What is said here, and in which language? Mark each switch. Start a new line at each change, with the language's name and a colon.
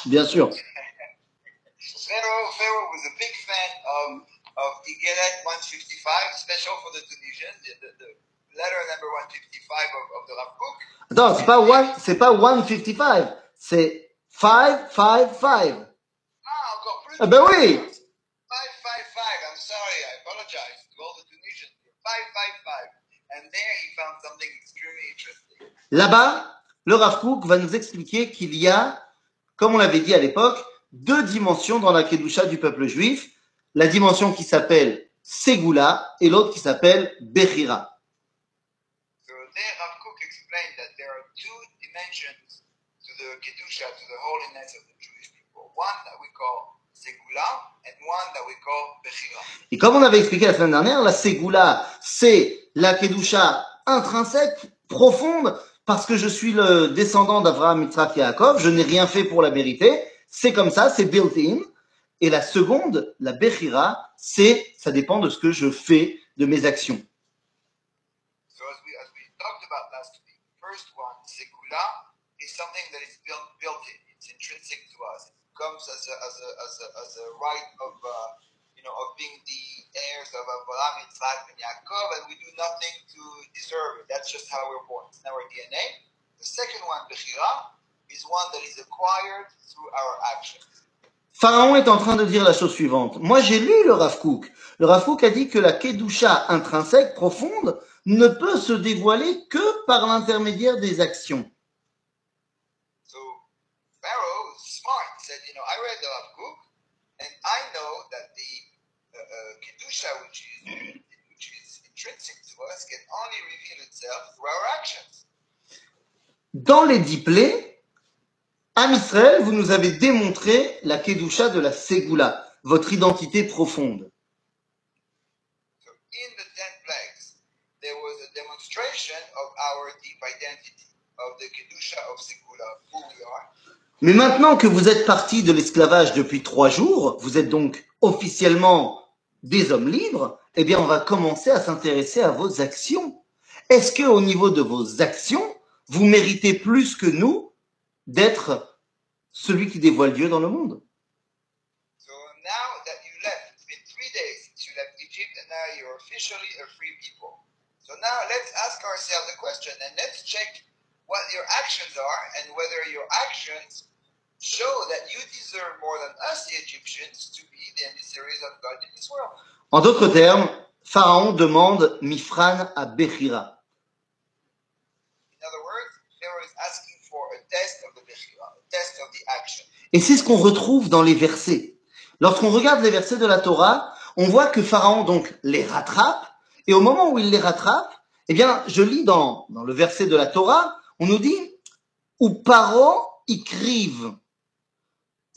French: Bien sûr.
English: Pharaoh was a big fan of Igeret 155, special for the Tunisians, the letter number 155 of the Rav Kook.
French: Non, c'est pas 155, c'est 555. Ah, encore plus. Ah, ben oui.
English: 555, I'm sorry, I apologize to all the Tunisians. 555, and there he found something extremely interesting.
French: Là-bas, le Rav Kook va nous expliquer qu'il y a, comme on l'avait dit à l'époque, deux dimensions dans la Kedusha du peuple juif. La dimension qui s'appelle Segula et l'autre qui s'appelle Bechira.
English: So there Rav Kook explained that there are two dimensions to the Kedusha, to the holiness of the Jewish people. One that we call Segula and one that we call Bechira.
French: Et comme on avait expliqué la semaine dernière, la Segula, c'est la Kedusha intrinsèque, profonde, parce que je suis le descendant d'Avraham, Yitzhak et Yaakov, je n'ai rien fait pour la mériter, c'est comme ça, c'est built-in. Et la seconde, la Bechira, c'est, ça dépend de ce que je fais, de mes actions.
English: So as we talked about last week, the first one, Segula, is something that is built in. It's intrinsic to us. It comes as a right of, of being the heirs of Abraham, Isaac, and Yaakov, and we do nothing to deserve it. That's just how we're born. It's in our DNA. The second one, Bechira, is one that is acquired through our actions.
French: Pharaon est en train de dire la chose suivante. Moi, j'ai lu le Rav Kook. Le Rav Kook a dit que la Kedusha intrinsèque, profonde, ne peut se dévoiler que par l'intermédiaire des actions.
English: So, Pharaoh, smart, said, I read the Rav Kook, and I know that the Kedusha, which is intrinsic to us, can only reveal itself through our actions.
French: Dans les 10 plaies, Am Israël, vous nous avez démontré la Kedusha de la Segula, votre identité profonde.
English: So in the 10 plagues, there was a demonstration of our deep identity, of the Kedusha of Segula, who we are.
French: Mais maintenant que vous êtes parti de l'esclavage depuis 3 jours, vous êtes donc officiellement des hommes libres, eh bien on va commencer à s'intéresser à vos actions. Est-ce que au niveau de vos actions, vous méritez plus que nous d'être celui qui dévoile Dieu dans le monde.
English: So now that you left, it's been 3 days since you left Egypt and now you're officially a free people. So now let's ask ourselves a question and let's check what your actions are and whether your actions show that you deserve more than us, the Egyptians, to be the emissaries of God in this world.
French: En d'autres termes, Pharaon demande Mifran à Bechira.
English: In other words, Pharaoh is asking for a test of the Bechira, a test of the action.
French: Et c'est ce qu'on retrouve dans les versets. Lorsqu'on regarde les versets de la Torah, on voit que Pharaon donc les rattrape, et au moment où il les rattrape, eh bien, je lis dans le verset de la Torah, on nous dit «
Hebrew: Où Paro y crive ?»